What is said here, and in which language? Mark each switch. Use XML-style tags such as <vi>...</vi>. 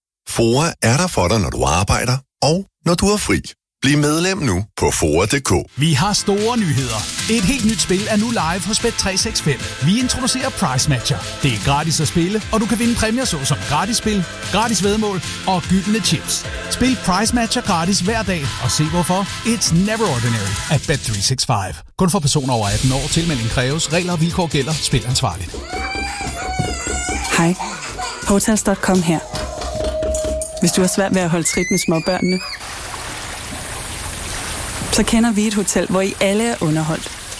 <da>FOA er der for dig, når du arbejder og når du er fri. Bliv medlem nu på FOA.dk. Vi har store nyheder. Et helt nyt spil er nu live hos Bet365. Vi introducerer Price Matcher. Det er gratis at spille, og du kan vinde præmier såsom gratis spil, gratis væddemål og gyldne chips. Spil Price Matcher gratis hver dag og se hvorfor.</da> <en>It's never ordinary at Bet365.</en> <da>Kun for personer over 18 år. Tilmelding kræves. Regler og vilkår gælder. Spil ansvarligt. Hej. Hotels.com her. Hvis du har svært ved at holde trit med småbørnene, så kender vi et hotel, hvor I alle er underholdt.</da>